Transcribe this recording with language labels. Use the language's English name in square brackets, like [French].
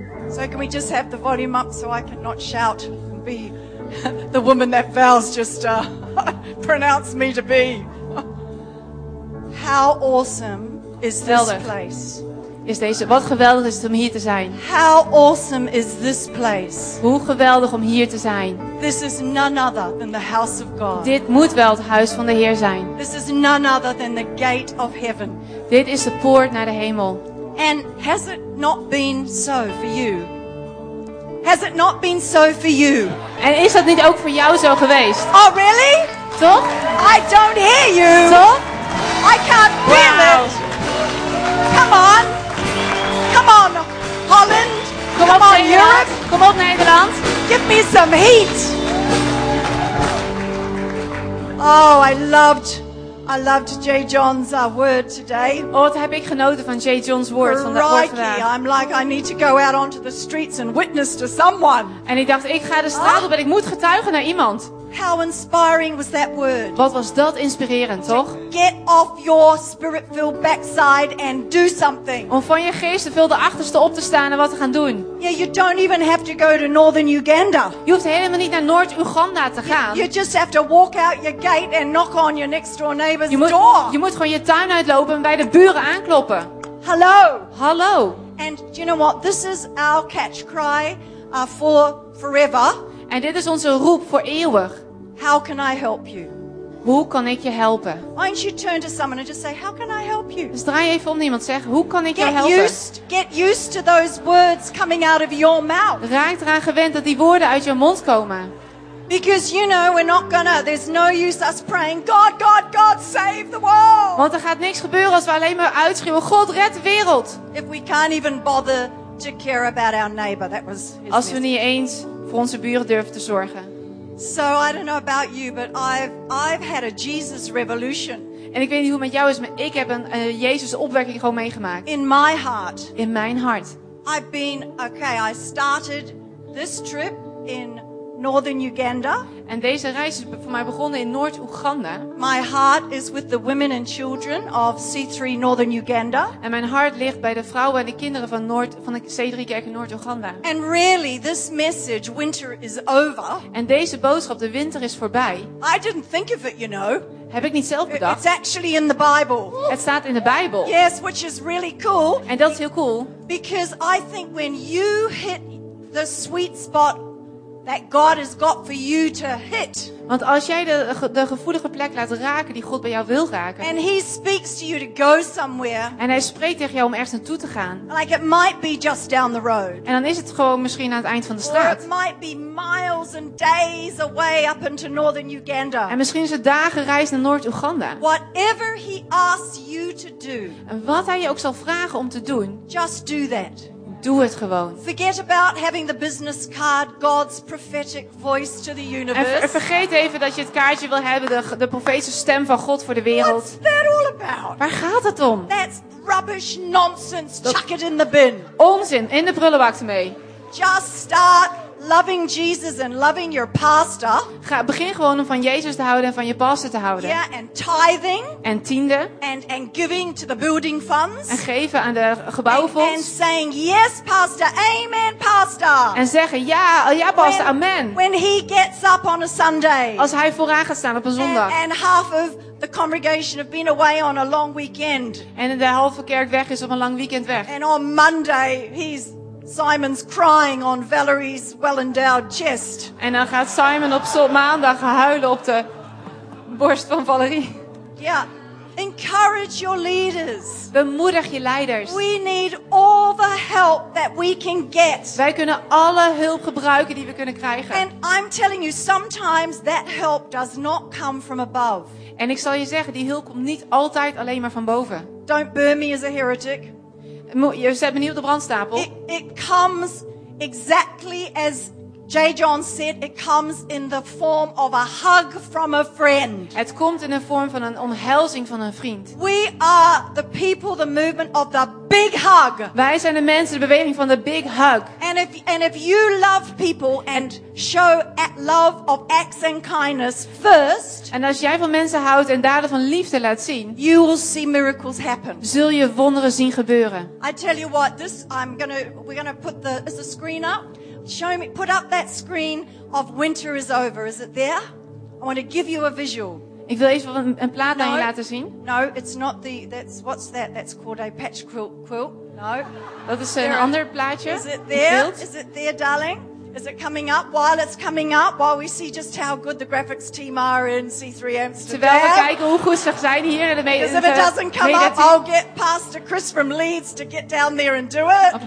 [English] So can we just have the volume up so I can not shout and be the woman that Val's just pronounced me to be. How awesome is this place? [Dutch] Is deze, wat geweldig is het om hier te zijn. [English] How awesome is this place? [Dutch] Hoe geweldig om hier te zijn. [English] This is none other than the house of God. [Dutch] Dit moet wel het huis van de Heer zijn. [English] This is none other than the gate of heaven. [Dutch] Dit is de poort naar de hemel. [English] And has it not been so for you? Has it not been so for you? [Dutch] En is dat niet ook voor jou zo geweest? [English] Oh, really? [Dutch] Toch? [English] I don't hear you. [Dutch] Toch? [English] I can't feel it. Come on. Come on, Holland. Come on, Europe. Come on, Nederland. Give me some heat. Oh, I loved Jay John's word today. [Dutch] Oh, wat heb ik genoten van Jay John's woord van dat woord vandaag. [English] I'm like, I need to go out onto the streets and witness to someone. [Dutch] En ik dacht, ik ga de straat op en ik moet getuigen naar iemand. [English] How inspiring was that word? [Dutch] Wat was dat inspirerend, toch? [English] Get off your spirit-filled backside and do something. [Dutch] Om van je geestenvulde achterste op te staan en wat te gaan doen. [English] Yeah, you don't even have to go to Northern Uganda. [Dutch] Je hoeft helemaal niet naar Noord-Uganda te gaan. [English] You just have to walk out your gate and knock on your next-door neighbor's door. [Dutch] Je moet gewoon je tuin uitlopen en bij de buren aankloppen. Hallo. Hallo. [English] And do you know what? This is our catch cry for forever. [Dutch] En dit is onze roep voor eeuwig. [English] How can I help you? [Dutch] Hoe kan ik je helpen? [English] Why don't you turn to someone and just say, how can I help you? [Dutch] Dus draai even om iemand, zeg, hoe kan ik jou helpen? [English] Get used to those words coming out of your mouth. [Dutch] Raak eraan gewend dat die woorden uit je mond komen. [English] Because you know we're not gonna. There's no use us praying. God, God, God, save the world. [Dutch] Want er gaat niks gebeuren als we alleen maar uitschreeuwen. God, red de wereld. [English] If we can't even bother to care about our neighbor, that was. [Dutch] Als we niet eens voor onze buren durven te zorgen. [English] So I don't know about you, but I've had a Jesus revolution. [Dutch] En ik weet niet hoe het met jou is, maar ik heb een Jezus opwekking gewoon meegemaakt. [English] In my heart. [Dutch] In mijn hart. [English] I've been okay. I started this trip in Northern Uganda. [Dutch] En deze reis is voor mij begonnen in Noord-Oeganda. [English] My heart is with the women and children of C3 Northern Uganda. [Dutch] En mijn hart ligt bij de vrouwen en de kinderen van de C3 kerk in Noord-Oeganda. [English] And really this message, winter is over. [Dutch] En deze boodschap, de winter is voorbij. [English] I didn't think of it, you know. [Dutch] Heb ik niet zelf bedacht. [English] It's actually in the Bible. [Dutch] Het staat in de Bijbel. [English] Yes, which is really cool. [Dutch] En dat is heel cool. [English] Because I think when you hit the sweet spot that God has got for you to hit. [Dutch] Want als jij de gevoelige plek laat raken die God bij jou wil raken. [English] And he speaks to you to go somewhere. [Dutch] En hij spreekt tegen jou om ergens naartoe te gaan. [English] Like it might be just down the road. [Dutch] En dan is het gewoon misschien aan het eind van de straat. [English] Or it might be miles and days away up into northern Uganda. [Dutch] En misschien is het dagen reis naar Noord-Oeganda. [English] Whatever he asks you to do. [Dutch] En wat hij je ook zal vragen om te doen. [English] Just do that. [Dutch] Doe het gewoon. [English] Forget about having the business card, God's prophetic voice to the universe. [Dutch] En vergeet even dat je het kaartje wil hebben, de profetische stem van God voor de wereld. [English] What's that all about? [Dutch] Waar gaat het om? [English] That's rubbish, nonsense. Dat... Chuck it in the bin. [Dutch] Onzin, in de prullenbak mee. [English] Just start loving Jesus and loving your pastor. [Dutch] Begin gewoon om van Jezus te houden en van je pastor te houden. [English] Yeah, and tithing. [Dutch] En tiende. [English] And giving to the building funds. [Dutch] En geven aan de gebouwfonds. [English] And saying yes, pastor. Amen, pastor. [Dutch] En zeggen ja, ja, pastor. Amen. [English] When he gets up on a Sunday. [Dutch] Als hij vooraan gaat staan op een zondag. [English] And half of the congregation have been away on a long weekend. [Dutch] En de halve kerk weg is op een lang weekend weg. [English] And on Monday he's Simon's crying on Valerie's well-endowed chest. [Dutch] En dan gaat Simon op maandag huilen op de borst van Valerie. [English] Yeah. Encourage your leaders. [Dutch] Bemoedig je leiders. [English] We need all the help that we can get. [Dutch] Wij kunnen alle hulp gebruiken die we kunnen krijgen. [English] And I'm telling you, sometimes that help does not come from above. [Dutch] En ik zal je zeggen, die hulp komt niet altijd alleen maar van boven. [English] Don't burn me as a heretic. [Dutch] Je zet me niet op de brandstapel. [English] It comes exactly as J. John said. It comes in the form of a hug from a friend. [Dutch] Het komt in de vorm van een omhelzing van een vriend. [English] We are the people, the movement of the big hug. [Dutch] Wij zijn de mensen, de beweging van de [English] big hug. And if you love people and show at love of acts and kindness first. [Dutch] En als jij van mensen houdt en daden van liefde laat zien, [English] you will see miracles happen. [Dutch] Zul je wonderen zien gebeuren. [English] I tell you what, this we're gonna put the is the screen up. Show me, put up that screen of winter is over. Is it there? I want to give you a visual. [Dutch] Ik wil even een plaat aan je laten zien. [English] No, it's not the. That's what's that? That's called a patch quilt. No. [Dutch] Dat is een ander plaatje. [English] Is it there? Is it there, darling? Is it coming up? While it's coming up, while we see just how good the graphics team are in C3 Amsterdam. [Dutch] Terwijl we kijken hoe goed ze zijn hier in de media. [English] Because if it doesn't come up, I'll get Pastor Chris from Leeds to get down there and do it.